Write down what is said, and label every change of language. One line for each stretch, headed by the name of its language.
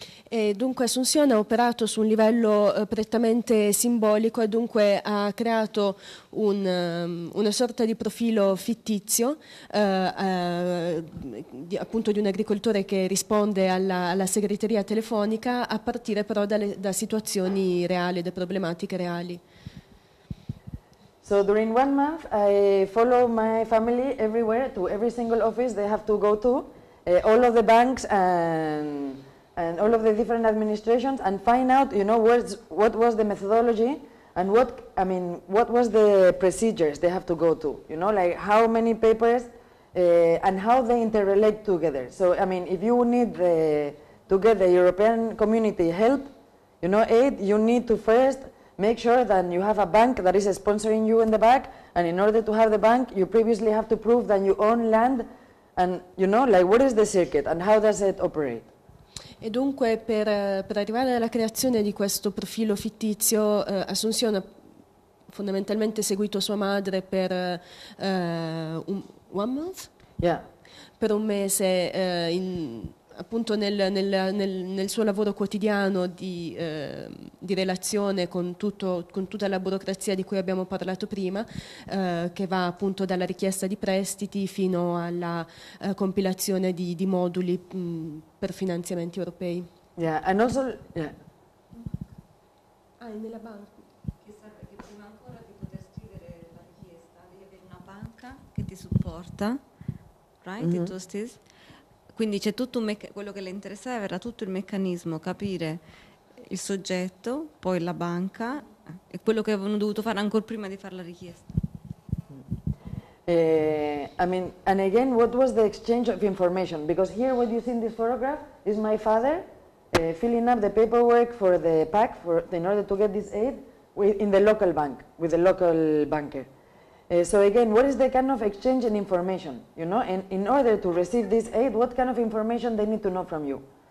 Italian: E dunque Asunción ha operato su un livello prettamente simbolico, e dunque ha creato una sorta di profilo fittizio appunto di un agricoltore che risponde alla segreteria telefonica, a partire però da situazioni reali, da problematiche reali.
English: So during one month I follow my family everywhere to every single office they have to go to, all of the banks and and all of the different administrations and find out, you know, what was the methodology and what was the procedures they have to go to, you know, like how many papers and how they interrelate together. So, I mean, if you need to get the European community help, you know, aid, you need to first make sure that you have a bank that is sponsoring you in the back, and in order to have the bank, you previously have to prove that you own land, and you know, like, what is the circuit and how does it operate?
Italian: E dunque per arrivare alla creazione di questo profilo fittizio, Assunzione ha fondamentalmente seguito sua madre per
English: one month? Yeah.
Italian: Per un mese appunto nel suo lavoro quotidiano di relazione con tutta la burocrazia di cui abbiamo parlato prima, che va appunto dalla richiesta di prestiti fino alla compilazione di moduli per finanziamenti europei.
English: Yeah, and also, yeah.
Italian: Ah, è nella banca. Prima ancora di poter scrivere la richiesta, devi avere una banca che ti supporta,
English: right?
Italian: Mm-hmm. Justice? Quindi c'è tutto quello che le interessava era tutto il meccanismo, capire il soggetto, poi la banca e quello che avevano dovuto fare ancora prima di fare la richiesta.
English: And again, what was the exchange of information? Because here what you see in this photograph is my father filling up the paperwork for the PAC in order to get this aid in the local bank, with the local banker. So again, what is the kind of exchange in information, you know, and in order to receive this aid, what kind of information they need to know from you?